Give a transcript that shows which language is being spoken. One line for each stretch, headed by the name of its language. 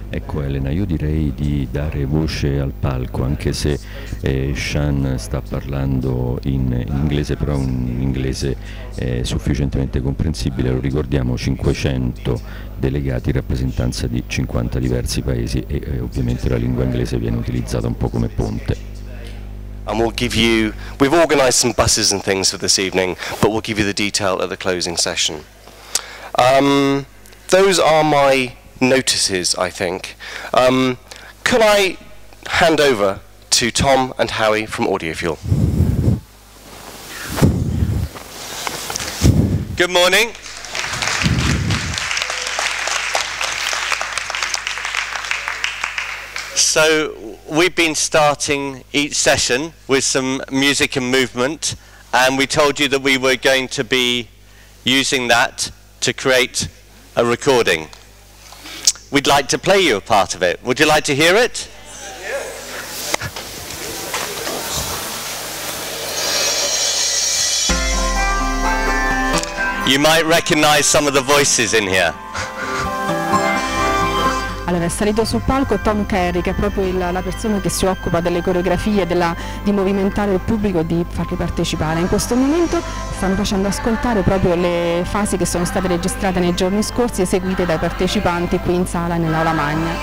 Italian: Ecco, Elena, io direi di dare voce al palco, anche se Sean sta parlando in inglese, però un inglese sufficientemente comprensibile. Lo ricordiamo, 500 delegati, rappresentanza di 50 diversi paesi, e ovviamente la lingua inglese viene utilizzata un po' come ponte.
English: And we'll give you, we've organized some buses and things for this evening, but we'll give you the detail at the closing session. Those are my notices, I think. Can I hand over to Tom and Howie from Audiofuel? Good morning. So we've been starting each session with some music and movement, and we told you that we were going to be using that to create a recording. We'd like to play you a part of it. Would you like to hear it? Yes. You might recognize some of the voices in here.
Italian: Allora, è salito sul palco Tom Carey, che è proprio la persona che si occupa delle coreografie, di movimentare il pubblico e di farli partecipare. In questo momento stanno facendo ascoltare proprio le fasi che sono state registrate nei giorni scorsi, eseguite dai partecipanti qui in sala nell'Aula Magna.